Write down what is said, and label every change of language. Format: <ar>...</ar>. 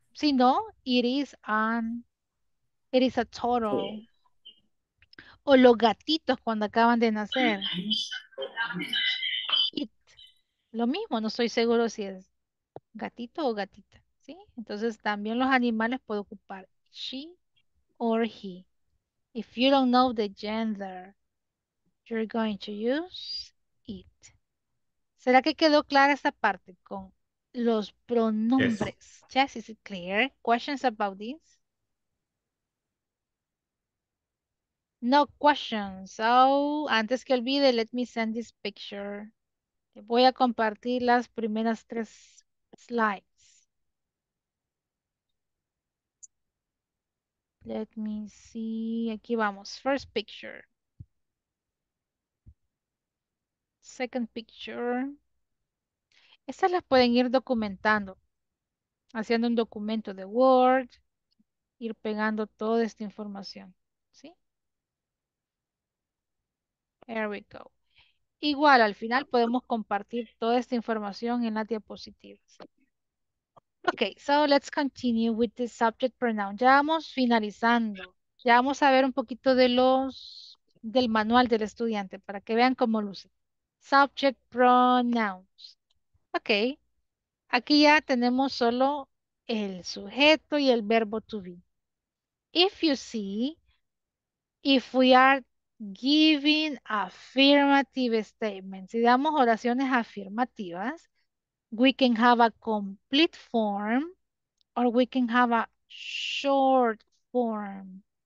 <es>Si no,</es> <en>it is a turtle.</en> <es>O los gatitos cuando acaban de nacer. Lo mismo, no estoy seguro si es gatito o gatita, ¿sí? Entonces también los animales puedo ocupar.</es> <en>She or he. If you don't know the gender, you're going to use it.</en> <es>¿Será que quedó clara esta parte con los</es> <en>Yes. pronombres? Yes, is it clear? Questions about this? No questions. Oh,</en> <es>antes que olvide,</es> <en>let me send this picture.</en> <es>Te voy a compartir las primeras tres slides.</es> <en>Let me see.</en> <es>Aquí vamos.</es> <en>First picture. Second picture.</en> <es>Estas las pueden ir documentando, haciendo un documento de Word, ir pegando toda esta información. ¿Sí?</es> <en>There we go.</en> <es>Igual, al final podemos compartir toda esta información en las diapositivas.</es> <en>Okay, so let's continue with the subject pronoun.</en> <es>Ya vamos finalizando. Ya vamos a ver un poquito de del manual del estudiante para que vean cómo luce.</es> <en>Subject pronouns. Okay.</en> <es>Aquí ya tenemos solo el sujeto y el verbo to be.</es> <en>If you see, if we are giving affirmative statements,</en> <es>si damos oraciones afirmativas,</es> <en>we can have a complete form or we can have a short form.</en>